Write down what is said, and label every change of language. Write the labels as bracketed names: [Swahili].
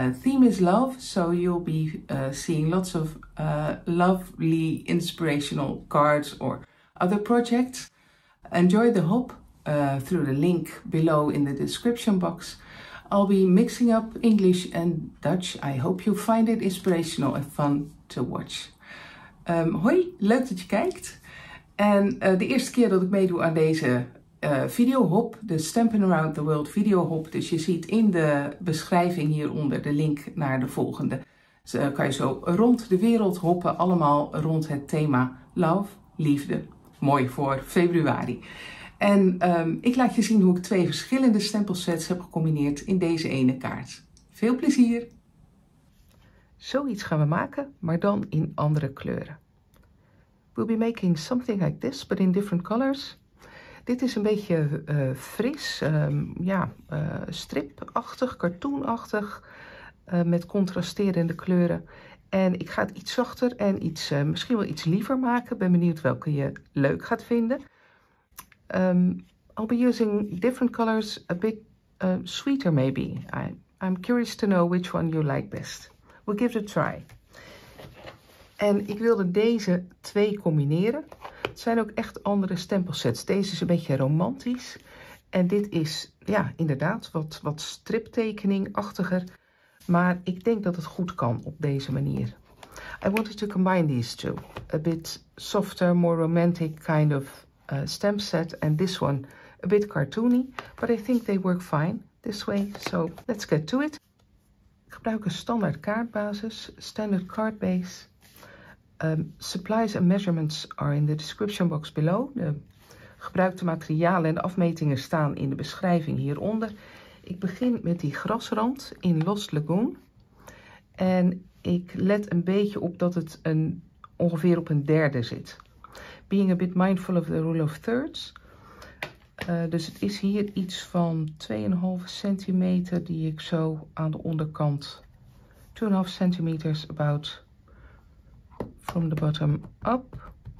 [English] Theme is love, so you'll be seeing lots of lovely inspirational cards or other projects. Enjoy the hop through the link below in the description box. I'll be mixing up English and Dutch. I hope you find it inspirational and fun to watch. [Dutch] Hoi, leuk dat je kijkt. En de eerste keer dat ik meedoe aan deze video hop, de Stampin' Around the World video hop. Dus je ziet in de beschrijving hieronder de link naar de volgende. Dus, kan je zo rond de wereld hoppen, allemaal rond het thema love, liefde. Mooi voor februari. En ik laat je zien hoe ik twee verschillende stempelsets heb gecombineerd in deze ene kaart. Veel plezier! Zoiets gaan we maken, maar dan in andere kleuren. [English] We'll be making something like this, but in different colors. [Dutch] Dit is een beetje fris, stripachtig, cartoonachtig, met contrasterende kleuren. En ik ga het iets zachter en iets, misschien wel iets liever maken. Ben benieuwd welke je leuk gaat vinden. [English] I'll be using different colors, a bit sweeter maybe. I'm curious to know which one you like best. We'll give it a try. [Dutch] En ik wilde deze twee combineren. Het zijn ook echt andere stempelsets. Deze is een beetje romantisch. En dit is ja inderdaad wat striptekeningachtiger. Maar ik denk dat het goed kan op deze manier. [English] I wanted to combine these two. A bit softer, more romantic kind of stamp set. And this one a bit cartoony. But I think they work fine this way. So let's get to it. [Dutch] Ik gebruik een standaard kaartbasis. [English] Standard card base. Supplies and measurements are in the description box below. [Dutch] De gebruikte materialen en afmetingen staan in de beschrijving hieronder. Ik begin met die grasrand in Lost Lagoon. En ik let een beetje op dat het ongeveer op een derde zit. [English] Being a bit mindful of the rule of thirds. [Dutch] Dus het is hier iets van 2,5 centimeter die ik zo aan de onderkant. [English] 2,5 centimeters about. From the bottom up.